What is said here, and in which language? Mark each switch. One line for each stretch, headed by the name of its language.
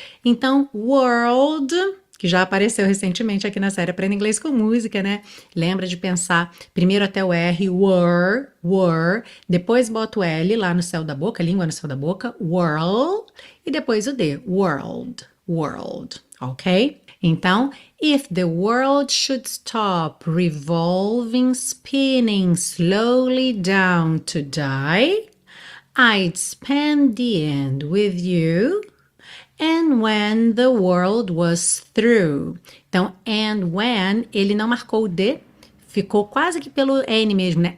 Portuguese: Então, world, que já apareceu recentemente aqui na série Aprenda Inglês com Música, né? Lembra de pensar primeiro até o R, were, depois bota o L lá no céu da boca, língua no céu da boca, world, e depois o D, world, ok? Então,
English: if the world should stop revolving, spinning slowly down to die, I'd spend the end with you. And when the world was through.
Portuguese: Então,
English: and when,
Portuguese: ele não marcou o D, ficou quase que pelo N mesmo, né?